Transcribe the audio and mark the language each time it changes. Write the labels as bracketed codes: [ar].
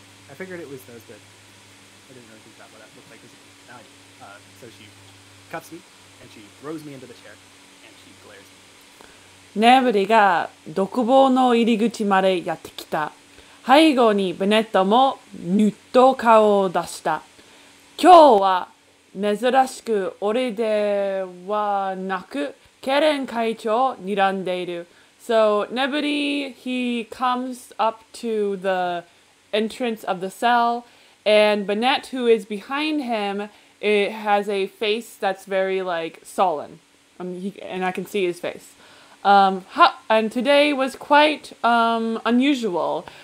[en] I figured it was those, but I didn't really think about what that looked like. So she cuffs me, and she throws me into the chair, and she glares me. [ja] Neburi ga dokubou no irigutu made yatte kita. 背後にベネットもニュッと顔を出した。今日は珍しく俺ではなくケレン会長を睨んでいる。 [en] So Nebody, he comes up to the entrance of the cell, and Bennett, who is behind him, it has a face that's very like sullen, and I can see his face. And today was quite unusual.